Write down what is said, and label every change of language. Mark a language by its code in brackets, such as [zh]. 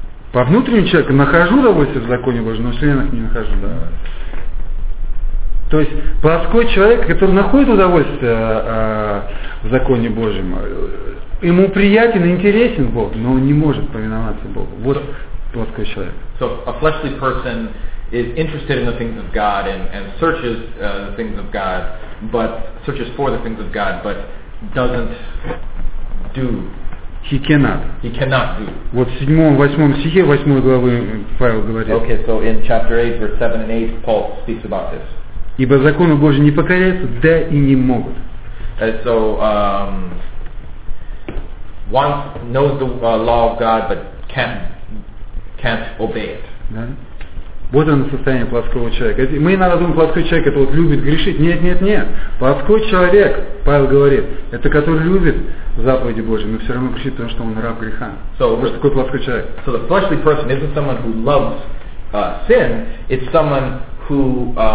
[ru] По внутреннему человеку нахожу удовольствие в законе Божьем, но в членах не нахожу, да. То есть плоской человек, который находит удовольствие в законе Божьем, ему приятен и интересен Бог, но он не может повиноваться Богу. Вот [en] so, [ru] плоской человек. [en] So a fleshly person is interested in the things of God and searches the things of God, but searches for the things of God, but doesn't do. He cannot do. [ru] Вот в 7-8 стихе 8 главы Павел говорит. [en] Okay, so in chapter 8, verse 7 and 8, Paul speaks about this. [ru] Ибо закону Божию не покоряются, да и не могут. [en] And so one knows the law of God, but can't obey it. [ru] Да? Вот оно состояние плотского человека. Мы иногда думаем, плотской человек это вот любит грешить. Нет. Плотской человек, Павел говорит, это который любит заповеди Божьи, но все равно грешит, потому что он раб греха. [en] So, [ru] вот такой плотской человек. [en] So the fleshly person isn't someone who loves sin, it's someone who